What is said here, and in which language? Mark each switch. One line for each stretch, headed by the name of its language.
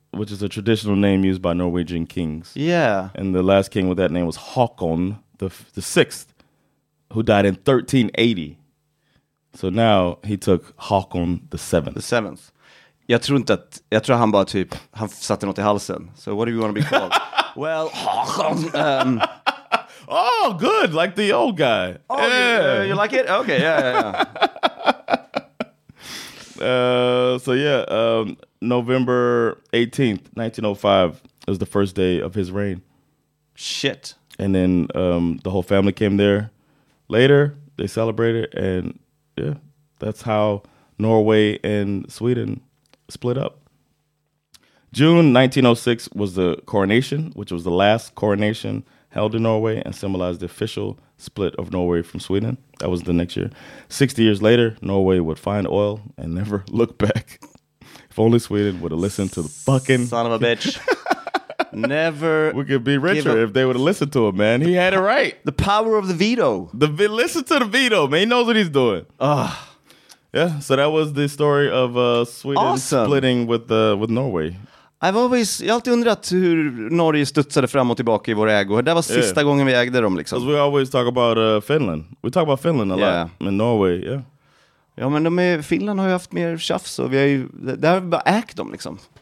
English: Which is a traditional name used by Norwegian kings. Yeah. And the last king with that name was Håkon the sixth, who died in 1380. So now he took Håkon the seventh. The seventh.
Swedish: Jag tror han bara typ, han satte något i halsen.
English: So what do you want to be called? Well, Håkon. Oh, good. Like the old guy. Oh, yeah. You like it? Okay, yeah. November 18th, 1905, was the first day of his reign. Shit. And then the whole family came there later. They celebrated. And yeah, that's how Norway and Sweden split up. June 1906 was the coronation, which was the last coronation held in Norway and symbolized the official split of Norway from Sweden. That was the next year. 60 years later, Norway would find oil and never look back. If only Sweden would have listened to the fucking... Son of a bitch. Never. We could be richer if they would have listened to him, man. He had it right. The power of the veto. Listen to the veto, man. He knows what he's doing. Ugh. Yeah, so that was the story of Sweden awesome. Splitting with Norway.
Swedish: Jag har alltid undrat hur Norge studsade fram och tillbaka i vår ägo. Det var sista gången vi ägde dem liksom.
English: We always talk about Finland. We talk about Finland a lot. Men Norway, yeah.
Swedish: Ja, men Finland har ju haft mer tjafs. Och vi har ju, där har vi bara ägt dem liksom.